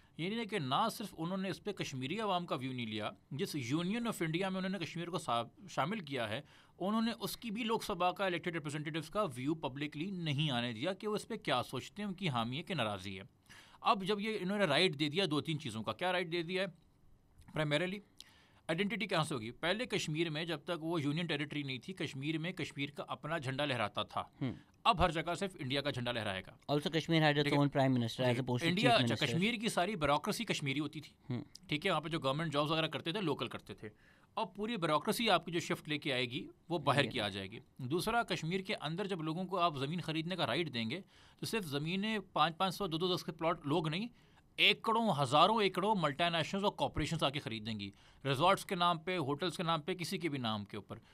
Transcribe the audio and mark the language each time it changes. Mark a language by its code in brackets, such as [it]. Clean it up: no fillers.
[ur] یعنی کہ نہ صرف انہوں نے اس پہ کشمیری عوام کا ویو نہیں لیا, جس یونین آف انڈیا میں انہوں نے کشمیر کو شامل کیا ہے انہوں نے اس کی بھی لوک سبھا کا الیکٹڈ ریپرزینٹیوز کا ویو پبلکلی نہیں آنے دیا کہ وہ اس پہ کیا سوچتے ہیں, ان کی حامی ہے کہ ناراضی ہے. اب جب یہ انہوں نے رائٹ دے دیا دو تین چیزوں کا, کیا رائٹ دے دیا ہے, پرائمریلی آئیڈینٹی کہاں سے ہوگی. پہلے کشمیر میں جب تک وہ یونین ٹیریٹری نہیں تھی کشمیر میں کشمیر کا اپنا جھنڈا لہراتا تھا, اب ہر جگہ صرف انڈیا کا جھنڈا لہرائے گا. [en] Also, Kashmir had its own prime minister as a post [ur] India Kashmir کی ساری بیوروکریسی کشمیری ہوتی تھی, ٹھیک ہے, وہاں پہ جو گورنمنٹ جابس وغیرہ کرتے تھے لوکل کرتے تھے, اب پوری بیوروکریسی آپ کی جو شفٹ لے کے آئے گی وہ باہر کی آ جائے گی. دوسرا, کشمیر کے اندر جب لوگوں کو آپ زمین خریدنے کا رائٹ دیں گے تو صرف زمینیں 500-500 2-2 پلاٹ لوگ نہیں, ایکڑوں ہزاروں ایکڑوں ملٹی نیشنلز اور کارپوریشنز آ کے خریدیں گی, ریزورٹس کے نام پہ, ہوٹلس کے نام پہ, کسی کے بھی نام کے اوپر.